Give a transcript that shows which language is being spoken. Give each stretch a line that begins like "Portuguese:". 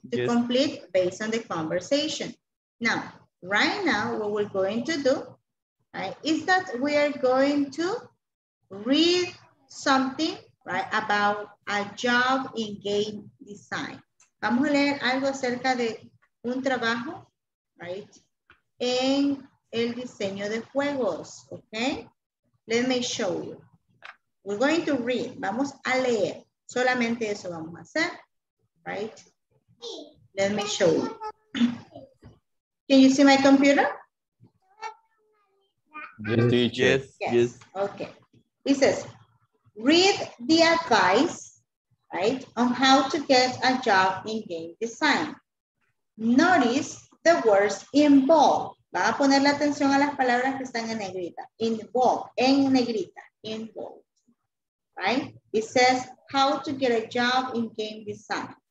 English: To complete based on the conversation. Now, right now, what we're going to do, right, is that we are going to read something, right, about a job in game design.
Spanish: Vamos a leer algo acerca de un trabajo.
English: Right,
Spanish: en el diseño de juegos,
English: okay? Let me show you. We're going to read.
Spanish: Vamos a leer. Solamente eso vamos a hacer.
English: Right? Let me show you. Can you see my computer? Yes, teacher. Yes. Yes. Okay. It says, read the advice, right, on how to get a job in game design. Notice the words involved.
Spanish: Va a poner la atención a las palabras que están en negrita.
English: Involved.
Spanish: En negrita.
English: Involved. Right? It says, how to get a job in game design.